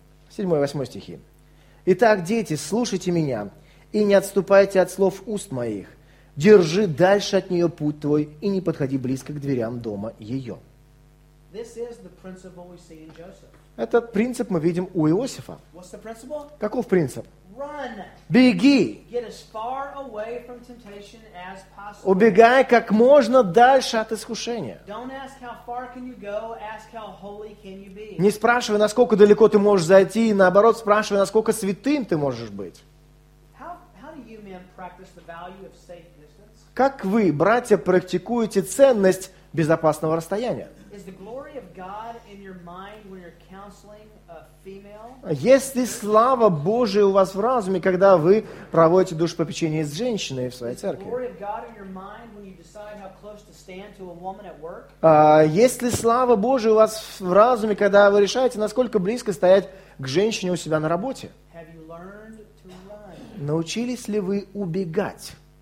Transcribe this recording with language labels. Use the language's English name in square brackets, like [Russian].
[Russian] Седьмой и восьмой стихи. Итак, дети, слушайте меня и не отступайте от слов уст моих. Держи дальше от нее путь твой и не подходи близко к дверям дома ее. [English] This is the principle we see in Joseph. [Russian] Этот принцип мы видим у Иосифа. [English] What's the principle? [Russian] Каков принцип? [English] Run. [Russian] Беги. [English] Get as far away from temptation as possible. [Russian] Убегай как можно дальше от искушения. [English] Don't ask how far can you go, ask how holy can you be. [Russian] Не спрашивай, насколько далеко ты можешь зайти, и наоборот, спрашивай, насколько святым ты можешь быть. [English] How do you men practice the value of safe distance? [Russian] Как вы, братья, практикуете ценность безопасного расстояния? [English] Is the glory of God in your mind when you're counseling a female? [Russian] Есть ли слава Божия у вас в разуме, когда вы проводите душепопечение с женщиной в своей церкви? [English] Is the glory of God in your mind when you decide how close to stand to a woman at work? [Russian] Есть ли слава Божия у вас в разуме, когда вы решаете, насколько близко стоять к женщине у себя на работе? [English] Have you learned to run? [Russian] Научились ли вы убегать?